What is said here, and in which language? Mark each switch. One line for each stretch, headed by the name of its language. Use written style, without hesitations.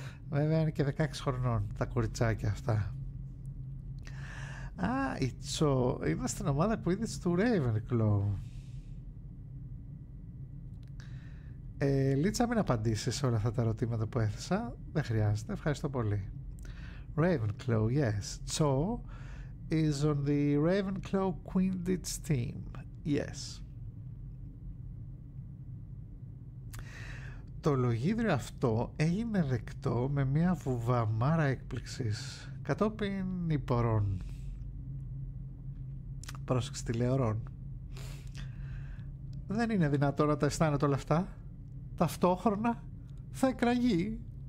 Greek: Βέβαια είναι και 16 χρονών τα κοριτσάκια αυτά. Α, η Τσο είναι στην ομάδα Quidditch του Ravenclaw. Λίτσα, μην απαντήσεις σε όλα αυτά τα ερωτήματα που έθεσα. Δεν χρειάζεται, ευχαριστώ πολύ.
English: Ravenclaw, yes. Cho is on the Ravenclaw Quidditch team. Yes.
Greek: Το λογίδριο αυτό έγινε δεκτό με μια βουβαμάρα έκπληξης κατόπιν υπορών. Πρόσεξε τη λεωρών. Δεν είναι δυνατό να τα αισθάνεται όλα αυτά. Ταυτόχρονα θα εκραγεί.